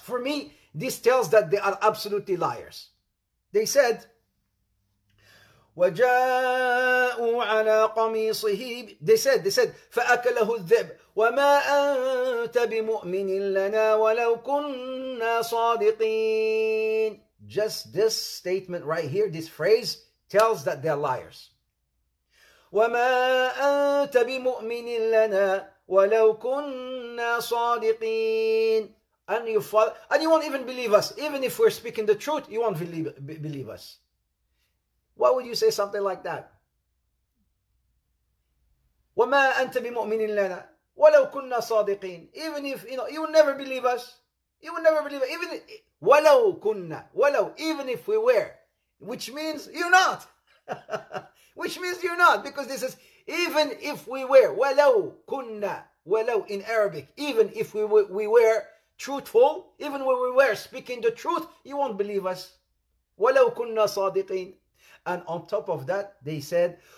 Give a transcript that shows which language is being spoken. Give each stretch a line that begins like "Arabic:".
English: For me, this tells that they are absolutely liars. They said,
Arabic: وَجَاءُوا عَلَىٰ قَمِيصِهِ
English: They said,
Arabic: فَأَكَلَهُ الذِّئْبُ وَمَا أَنْتَ بِمُؤْمِنٍ لَنَا وَلَوْ كُنَّا صَادِقِينَ
English: Just this statement right here, this phrase, tells that they're liars.
Arabic: وما أنت بمؤمن لنا ولو كنا صادقين.
English: And you follow, and you won't even believe us. Even if we're speaking the truth, you won't believe us. Why would you say something like that?
Arabic: وما أنت بمؤمن لنا ولو كنا صادقين.
English: Even if, you know, you will never believe us. You will never believe us. Even
Arabic: ولو كنا, ولو,
English: even if we were. Which means you're not. Which means you're not. Because this is, even if we were.
Arabic: ولو كنا, ولو
English: in Arabic. Even if we were truthful, even when we were speaking the truth, you won't believe us.
Arabic: ولو كنا صادقين.
English: And on top of that, they said,